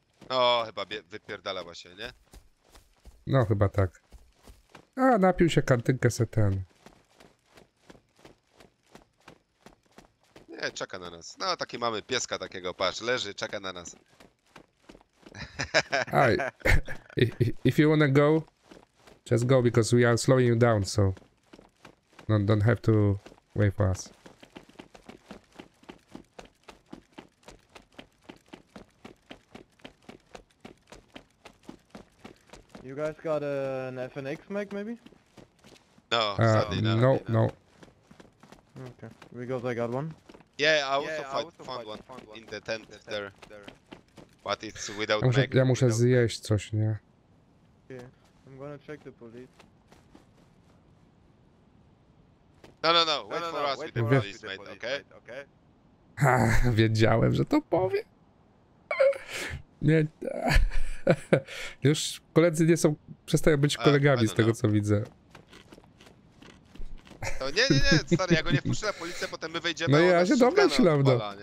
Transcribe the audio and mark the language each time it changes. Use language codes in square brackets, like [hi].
[pl] No, chyba wypierdala właśnie, nie? No, chyba tak. A, napił się kantynkę se ten. Nie, czeka na nas. No, taki mamy pieska takiego, patrz, leży, czeka na nas. Aj. [en] If you wanna go, just go because we are slowing you down, so don't have to wait for us. You guys got an FNX mag, maybe? No, sadly no. Okay, because I got one. Yeah, I also found one in the tent there. But it's without mag. [pl] Ja muszę zjeść coś, nie? [en] Okay, I'm gonna check the police. No, wait for us with the police, mate, okay? [pl] Ha, wiedziałem, że to powie. Nie. Już koledzy nie są, przestają być kolegami z tego, co widzę. To nie, stary, ja go nie wpuszczę na policję, potem my wejdziemy. No ja się domyślam, no.